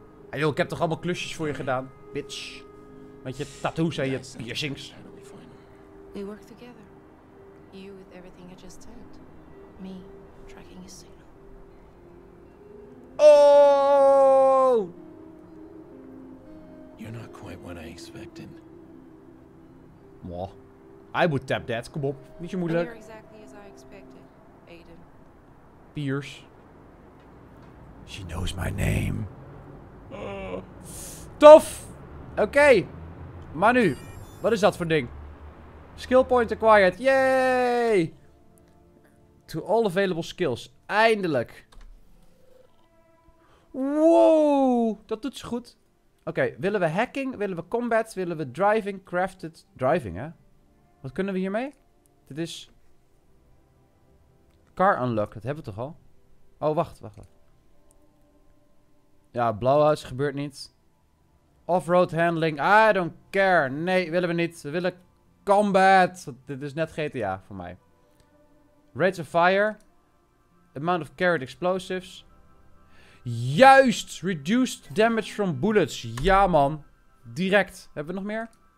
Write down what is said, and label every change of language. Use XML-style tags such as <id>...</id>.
<nl>Ah, joh, ik heb toch allemaal klusjes voor je gedaan, bitch. Met je tattoos en je piercings.</nl> <en>We work together. You with everything I just said. Me tracking your signal. Oh! You're not quite what I expected. Moi. I would tap that.</en> <nl>Kom op. Niet je moeilijk.</nl> <en>You're exactly as I expected, Aiden. Pierce. She knows my name.</en> <nl>Tof! Oké. Maar nu. Wat is dat voor ding?</nl> <en>Skill point acquired. Yay! To all available skills.</en> <nl>Eindelijk. Wow, dat doet ze goed. Oké, willen we hacking? Willen we combat? Willen we driving? Crafted driving, hè? Wat kunnen we hiermee? Dit is... car unlock, dat hebben we toch al? Oh, wacht. Ja, blowouts gebeurt niet.</nl> <en>Off-road handling, I don't care.</en> <nl>Nee, willen we niet. We willen combat. Dit is net GTA voor mij.</nl> <en>Rates of fire. Amount of carried explosives.</en> <nl>Juist!</nl> <en>Reduced damage from bullets.</en> <nl>Ja, man. Direct. Hebben we nog meer?</nl>